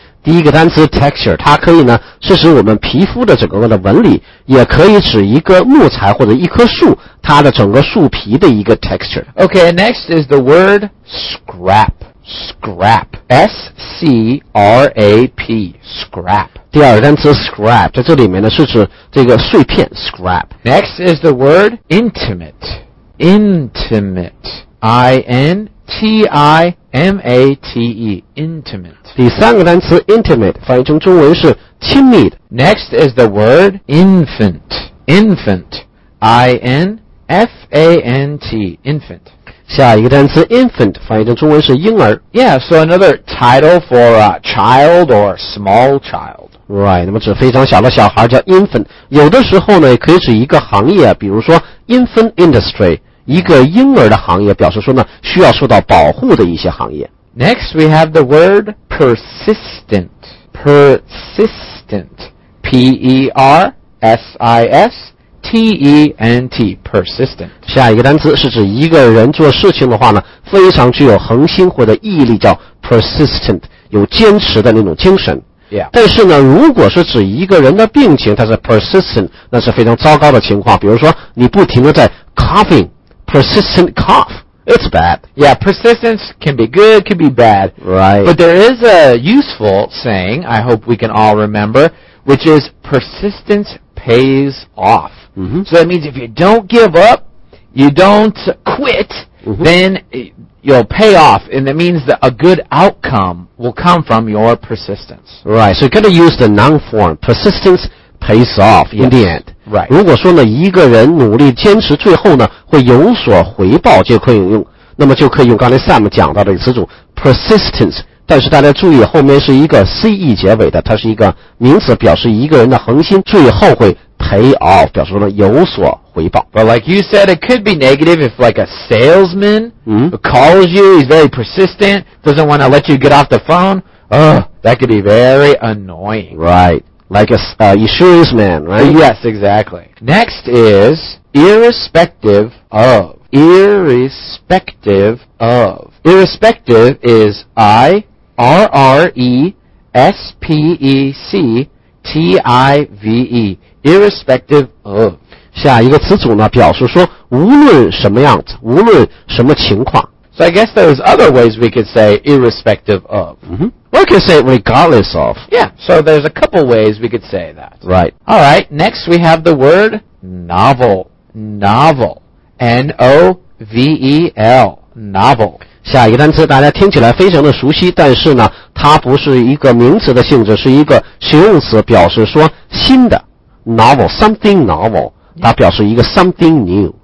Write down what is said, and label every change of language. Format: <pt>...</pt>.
<zh>第一个单词 texture, 它可以呢是指我们皮肤的整个的纹理，也可以指一个木材或者一棵树它的整个树皮的一个 texture.</zh> <en>Okay, next is the word scrap. Scrap. S-C-R-A-P. Scrap.</en> <zh>第二个单词 scrap, 在这里面呢是指这个碎片 scrap.</zh> <en>Next is the word intimate. Intimate. I-N-T-I-M-A-T-E. Intimate.</en> <zh>第三个单词 intimate 翻译成中文是亲密的。</zh> <en>Next is the word infant. Infant. I-N-F-A-N-T. Infant.</en> <zh>下一个单词 infant 翻译成中文是婴儿。</zh> <en>Yeah, so another title for a child or small child.</en> <zh>Right, 那么指非常小的小孩叫 infant, 有的时候呢也可以指一个行业，比如说 infant industry, 一个婴儿的行业，表示说呢需要受到保护的一些行业。</zh> <en>Next we have the word persistent, persistent, P-E-R-S-I-S-T-E-N-T, persistent.</en> <zh>下一个单词是指一个人做事情的话呢非常具有恒心或者毅力，叫 persistent, 有坚持的那种精神。</zh> <en>Yeah.</en> <zh>但是呢如果是指一个人的病情它是 persistent, 那是非常糟糕的情况，比如说你不停地在 coughing,</zh> <en>persistent cough, it's bad. Yeah, persistence can be good, can be bad. Right. But there is a useful saying, I hope we can all remember, which is persistence pays off. Mm-hmm. So that means if you don't give up, you don't quit, then you'll pay off, and that means that a good outcome will come from your persistence. Right, so you're going to use the noun form, persistence pays off in the end. Right.</en> <zh>如果说呢一个人努力坚持最后呢会有所回报，就可以用，那么就可以用刚才 Sam 讲到的词组 persistence, 但是大家注意后面是一个 CE 结尾的，它是一个名词，表示一个人的恒心最后会 pay off, 表示说呢有所回报。回报。</zh> <en>But like you said, it could be negative if like a salesman calls you, he's very persistent, doesn't want to let you get off the phone. That could be very annoying. Right. Like a insurance man, right? Yes, exactly. Next is irrespective of. Irrespective of. Irrespective is I-R-R-E-S-P-E-C-T-I-V-E. Irrespective of.</en> <zh>下一个词组呢，表示说无论什么样子，无论什么情况。</zh> <en>So I guess there's other ways we could say irrespective of. Or we could say regardless of. Yeah, so there's a couple ways we could say that. Right. All right, next we have the word novel. Novel. N-O-V-E-L. Novel.</en> <zh>下一个单词大家听起来非常的熟悉，但是呢，它不是一个名词的性质，是一个形容词，表示说新的。</zh> <en>Novel, something novel.</en> <zh>它表示一个</zh> <en>something new.</en>